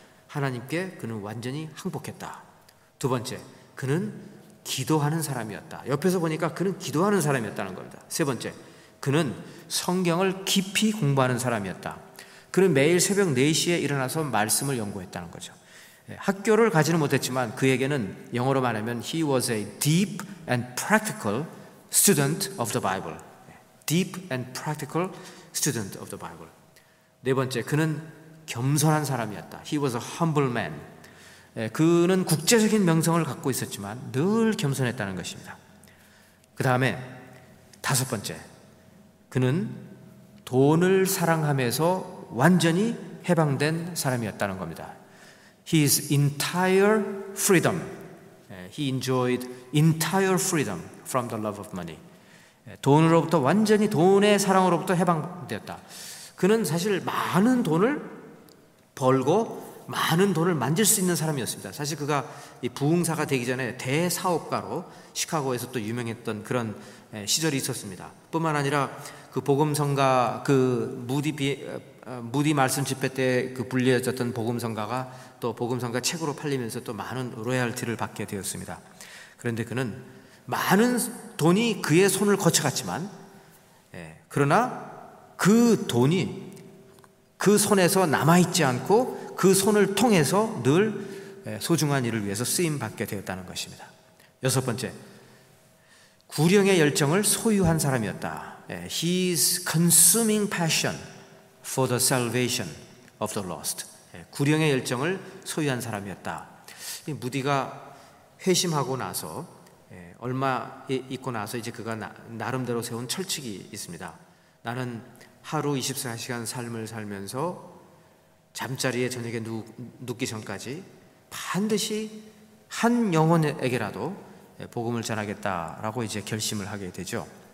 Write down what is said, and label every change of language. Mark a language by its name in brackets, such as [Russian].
[Korean] 하나님께 그는 완전히 항복했다. 두 번째, 그는 기도하는 사람이었다. 옆에서 보니까 그는 기도하는 사람이었다는 겁니다. 세 번째, 그는 성경을 깊이 공부하는 사람이었다. 그는 매일 새벽 4시에 일어나서 말씀을 연구했다는 거죠. 학교를 가지는 못했지만 그에게는 영어로 말하면 [English] He was a deep and practical student of the Bible. Deep and practical student of the Bible. [Korean] 네 번째, 그는 겸손한 사람이었다. [English] He was a humble man. [Korean] 그는 국제적인 명성을 갖고 있었지만 늘 겸손했다는 것입니다. 그 다음에 다섯 번째, 그는 돈을 사랑함에서 완전히 해방된 사람이었다는 겁니다. [English] His entire freedom. He enjoyed entire freedom from the love of money. [Korean] 돈으로부터 완전히 돈의 사랑으로부터 해방되었다. 그는 사실 많은 돈을 벌고 많은 돈을 만질 수 있는 사람이었습니다. 사실 그가 부흥사가 되기 전에 대사업가로 시카고에서 또 유명했던 그런 시절이 있었습니다. 뿐만 아니라 그 복음성가 그 무디 말씀 집회 때 그 불려졌던 복음성가가 또 복음성가 책으로 팔리면서 또 많은 로얄티를 받게 되었습니다. 그런데 그는 많은 돈이 그의 손을 거쳐갔지만 그러나 그 돈이 그 손에서 남아있지 않고 그 손을 통해서 늘 소중한 일을 위해서 쓰임받게 되었다는 것입니다. 여섯 번째, 구령의 열정을 소유한 사람이었다. [English] His consuming passion for the salvation of the lost. [Korean] 구령의 열정을 소유한 사람이었다. 무디가 회심하고 나서 얼마 있고 나서 이제 그가 나름대로 세운 철칙이 있습니다. 나는 하루 24시간 삶을 살면서 잠자리에 저녁에 눕기 전까지 반드시 한 영혼에게라도 복음을 전하겠다라고 이제 결심을 하게 되죠.